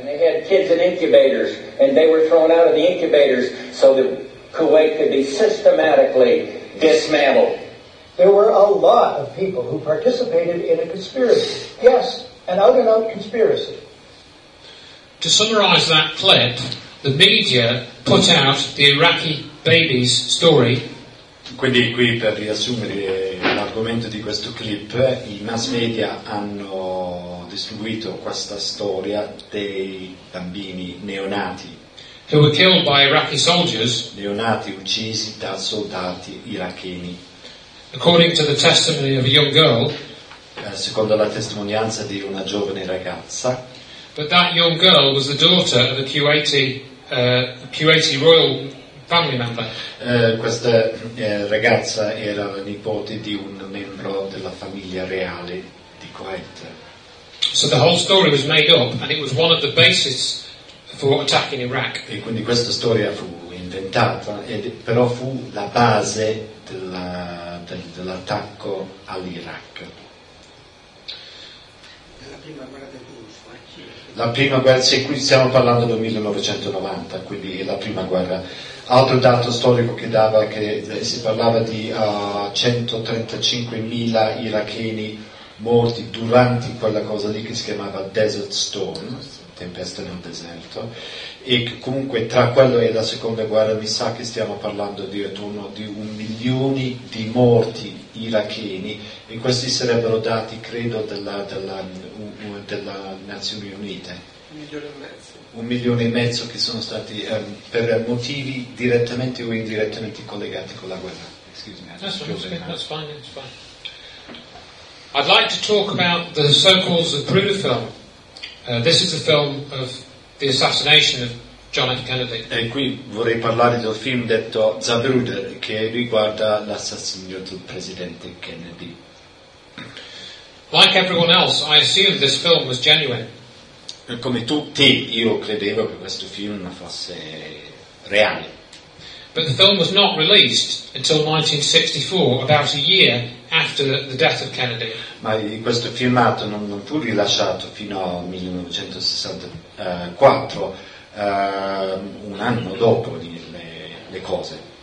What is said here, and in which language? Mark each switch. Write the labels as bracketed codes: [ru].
[en] And they had kids in incubators, and they were thrown out of the incubators so that Kuwait could be systematically dismantled. There were a lot of people who participated in a conspiracy. Yes, an out-and-out conspiracy. To summarize that clip, the media put out the Iraqi baby's story. [it] Quindi qui, per riassumere l'argomento di questo clip, i mass media hanno distribuito questa storia dei bambini neonati. [en] Who were killed by Iraqi soldiers. [it] Neonati uccisi da soldati iracheni. [en] According to the testimony of a young girl. [it] Secondo la testimonianza di una giovane ragazza. [en] But that young girl was the daughter of a Kuwaiti royal family member. [it] Questa ragazza era la nipote di un membro della famiglia reale di Kuwait. [en] So the whole story was made up, and it was one of the basis for attacking Iraq. [it] E quindi questa storia fu inventata, però fu la base dell'attacco all'Iraq. La prima guerra, qui stiamo parlando del 1990, quindi è la prima guerra. Altro dato storico che dava, che si parlava di 135.000 iracheni morti durante quella cosa lì che si chiamava Desert Storm, tempesta nel deserto, e comunque tra quello e la seconda guerra mi sa che stiamo parlando di attorno di 1 milione di morti iracheni, e questi sarebbero dati, credo, della Nazioni Unite. 1,5 milioni che sono stati per motivi direttamente o indirettamente collegati con la guerra. [en] That's fine. I'd like to talk about the so-called Zapruder film. This is the film of the assassination of John F. Kennedy. [it] E qui vorrei parlare del film detto Zapruder, che riguarda l'assassinio del presidente Kennedy. [en] Like everyone else, I assumed this film was genuine. [it] Come tutti, io credevo che questo film fosse reale. [en] But the film was not released until 1964, about a year after the death of Kennedy. [it] Ma questo filmato non fu rilasciato fino al 1964, un anno dopo le cose.